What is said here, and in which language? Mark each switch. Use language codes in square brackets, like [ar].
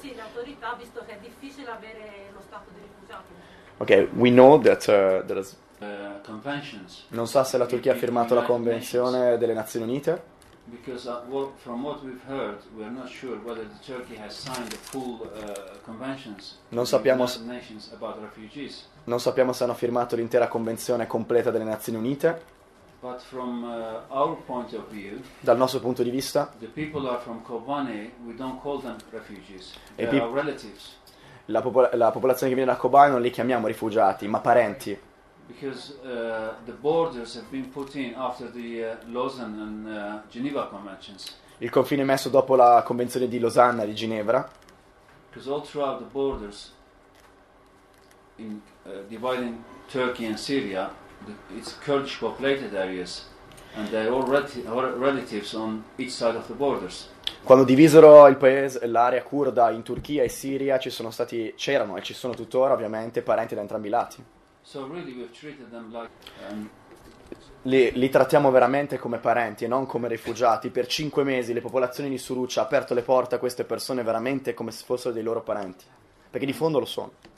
[it] Sì, le autorità, visto che è difficile avere lo stato di rifugiati. [en] Ok, we know that there is... conventions. [it] Non so se la Turchia ha firmato la convenzione delle Nazioni Unite. [en] Because from what we've heard, we are not sure whether the Turkey has signed the full conventions. [it] Non sappiamo [en] the nations about refugees. [it] Non sappiamo se hanno firmato l'intera convenzione completa delle Nazioni Unite. [en] But from our point of view, [it] dal nostro punto di vista, [en] the people are from Kobane. We don't call them refugees. They are relatives. [it] La popolazione che viene da Kobane non li chiamiamo rifugiati, ma parenti. [en] Because the borders have been put in after the Lausanne and Geneva conventions. [it] Il confine è messo dopo la convenzione di Losanna e di Ginevra. [en] Because all throughout the borders, in dividing Turkey and Syria, it's Kurdish populated areas, and they're all relatives on each side of the borders. [it] Quando divisero il paese, l'area curda in Turchia e Siria, c'erano e ci sono tuttora ovviamente parenti da entrambi i lati. [en] So really we've treated them like, [it] li trattiamo veramente come parenti e non come rifugiati. Per 5 mesi le popolazioni di Suruc ha aperto le porte a queste persone veramente come se fossero dei loro parenti, perché di fondo lo sono.